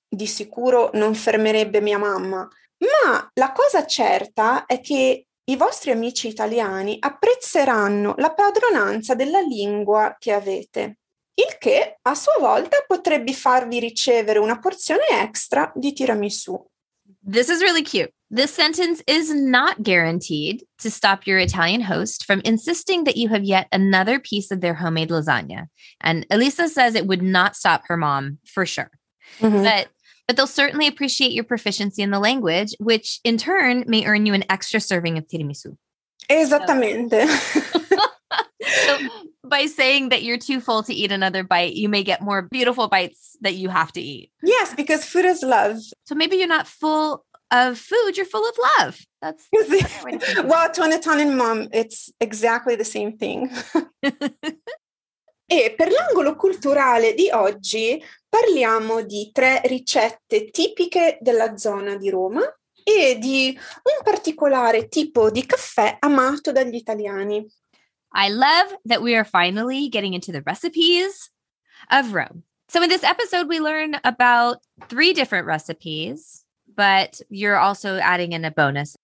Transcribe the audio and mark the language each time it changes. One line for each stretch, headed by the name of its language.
Italian: Di sicuro non fermerebbe mia mamma. Ma la cosa certa è che i vostri amici italiani apprezzeranno la padronanza della lingua che avete, il che a sua volta potrebbe farvi ricevere una porzione extra di tiramisù.
English: This is really cute. This sentence is not guaranteed to stop your Italian host from insisting that you have yet another piece of their homemade lasagna. And Elisa says it would not stop her mom, for sure. Mm-hmm. But they'll certainly appreciate your proficiency in the language, which in turn may earn you an extra serving of tiramisù.
Italian: Esattamente.
English: So by saying that you're too full to eat another bite, you may get more beautiful bites that you have to eat. Yes, because food is love. So maybe you're not full of food, you're full of love. That's well, to an Italian mom, it's exactly the same thing.
Italian: E per l'angolo culturale di oggi parliamo di tre ricette tipiche della zona di Roma e di un particolare tipo di caffè amato dagli italiani.
English: I love that we are finally getting into the recipes of Rome. So in this episode, we learn about three different recipes, but you're also adding in a bonus.